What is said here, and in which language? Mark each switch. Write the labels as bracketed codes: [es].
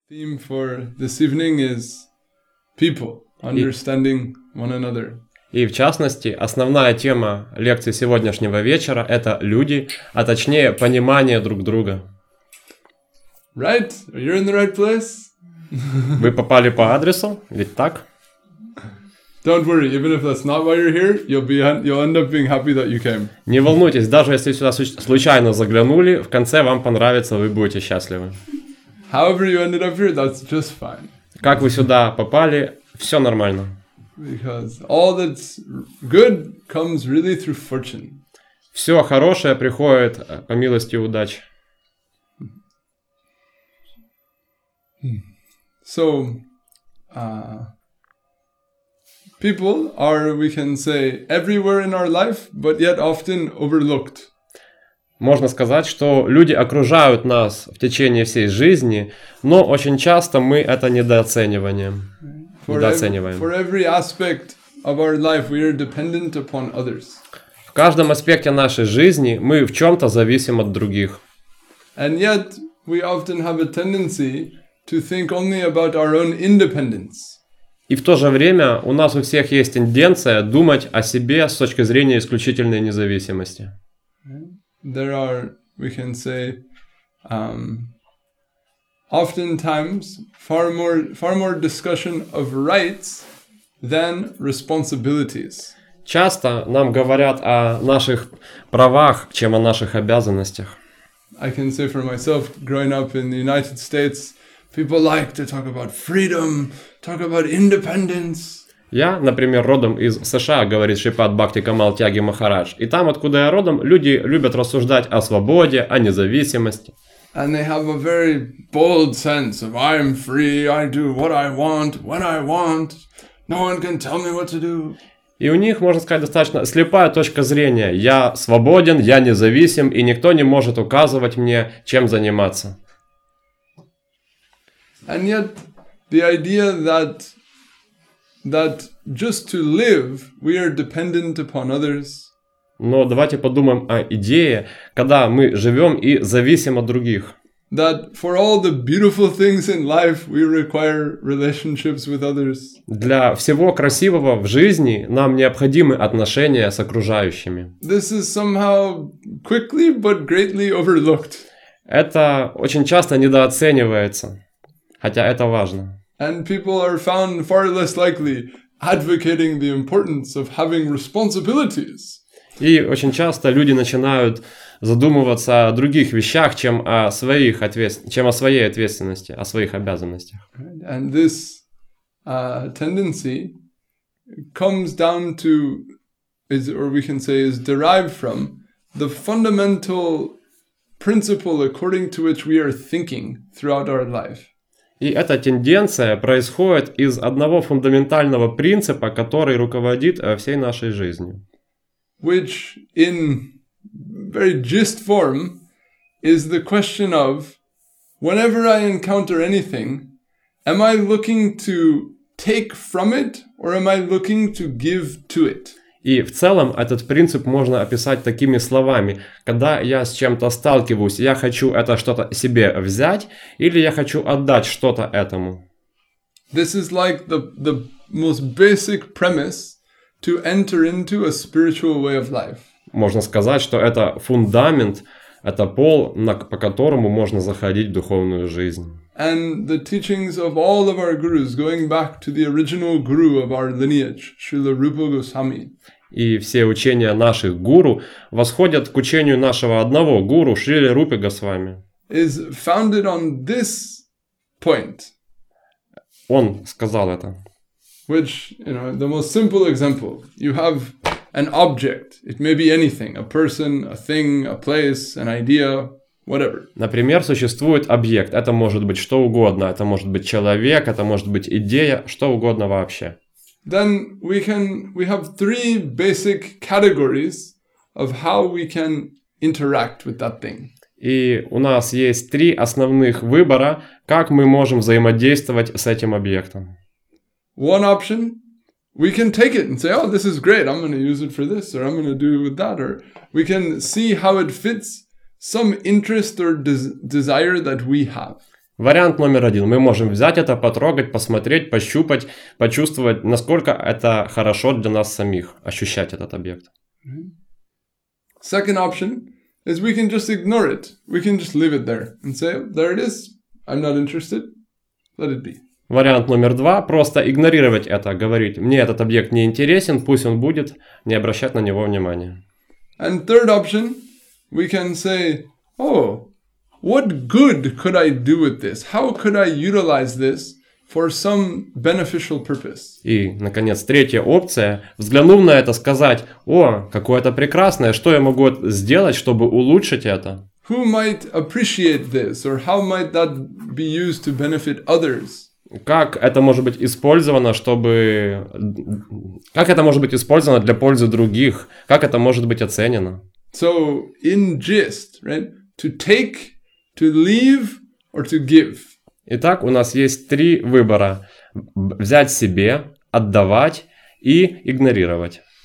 [en] Theme for this evening is people, understanding one another. [ru] И в частности, основная тема лекции сегодняшнего вечера — это люди, а точнее, понимание друг друга. [en] Right? You're in the right place? [ru] Вы попали по адресу, ведь так? [en] Don't worry, even if that's not why you're here, you'll end up being happy that you came. [ru] Не волнуйтесь, даже если сюда случайно заглянули, в конце вам понравится, вы будете счастливы. [en] However you ended up here, that's just fine. [ru] Как вы сюда попали, все нормально. [en] Because all that's good comes really through fortune. [ru] Все хорошее приходит по милости удачи. [en] So, people are, we can say, everywhere in our life, but yet often overlooked. [ru] Можно сказать, что люди окружают нас в течение всей жизни, но очень часто мы это недооцениваем. [en] For every aspect of our life, we are dependent upon others. [ru] В каждом аспекте нашей жизни мы в чем-то зависим от других. [en] And yet, we often have a tendency to think only about our own independence. [ru] И в то же время у нас у всех есть тенденция думать о себе с точки зрения исключительной независимости. [en] There are, we can say, oftentimes far more discussion of rights than responsibilities. [ru] Часто нам говорят о наших правах, чем о наших обязанностях. [en] I can say for myself, growing up in the United States, people like to talk about freedom, talk about independence. [ru] Я, например, родом из США, говорит Шрипад Бхакти Камал Тяги Махарадж. И там, откуда я родом, люди любят рассуждать о свободе, о независимости. [en] And they have a very bold sense of I'm free, I do what I want, when I want, no one can tell me what to do. [ru] И у них, можно сказать, достаточно слепая точка зрения. Я свободен, я независим, и никто не может указывать мне, чем заниматься. [en] And yet, the idea that just to live, we are dependent upon others. [ru] Но давайте подумаем о идее, когда мы живем и зависим от других. [en] That for all the beautiful things in life, we require relationships with others. [ru] Для всего красивого в жизни нам необходимы отношения с окружающими. [en] This is somehow quickly but greatly overlooked. [ru] Это очень часто недооценивается. Хотя это важно. [en] And people are found far less likely advocating the importance of having responsibilities. [ru] И очень часто люди начинают задумываться о других вещах, чем о своей ответственности, о своих обязанностях. [en] And this tendency comes down to, is, or we can say, is derived from the fundamental principle according to which we are thinking throughout our life. [ru] И эта тенденция происходит из одного фундаментального принципа, который руководит всей нашей жизнью. [en] Which in very gist form is the question of whenever I encounter anything, am I looking to take from it or am I looking to give to it? [ru] И в целом этот принцип можно описать такими словами. Когда я с чем-то сталкиваюсь, я хочу это что-то себе взять или я хочу отдать что-то этому. [en] This is like the most basic premise to enter into a spiritual way of life. [ru] Можно сказать, что это фундамент, это пол, по которому можно заходить в духовную жизнь. [en] And the teachings of all of our gurus, going back to the original guru of our lineage, Srila Rupa Goswami. [ru] И все учения наших гуру восходят к учению нашего одного гуру, Шрили Рупы Госвами. [en] Is founded on this point. [ru] Он сказал это. [en] Which, you know, the most simple example. You have an object. It may be anything. A person, a thing, a place, an idea. Whatever. [ru] Например, существует объект. Это может быть что угодно. Это может быть человек, это может быть идея, что угодно вообще. [en] Then we have three basic categories of how we can interact with that thing. [ru] И у нас есть три основных выбора, как мы можем взаимодействовать с этим объектом. [en] One option, we can take it and say, oh, this is great, I'm going to use it for this, or I'm going to do it with that, or we can see how it fits some interest or desire that we have. [ru] Вариант номер один. Мы можем взять это, потрогать, посмотреть, пощупать, почувствовать, насколько это хорошо для нас самих, ощущать этот объект. [en] Second option is we can just ignore it. We can just leave it there and say, there it is, I'm not interested, let it be. [ru] Вариант номер два. Просто игнорировать это, говорить, мне этот объект не интересен, пусть он будет, не обращать на него внимания. [en] And third option, we can say, oh, what good could I do with this? How could I utilize this for some beneficial purpose? [ru] И, наконец, третья опция. Взглянув на это, сказать, о, какое-то прекрасное, что я могу сделать, чтобы улучшить это? [en] Who might appreciate this, or how might that be used to benefit others? [ru] Как это может быть использовано, чтобы... Как это может быть использовано для пользы других? Как это может быть оценено? [en] So, in gist, right? To take, to leave, or to give. [ru] Итак, у нас есть три выбора. Взять себе, отдавать и игнорировать.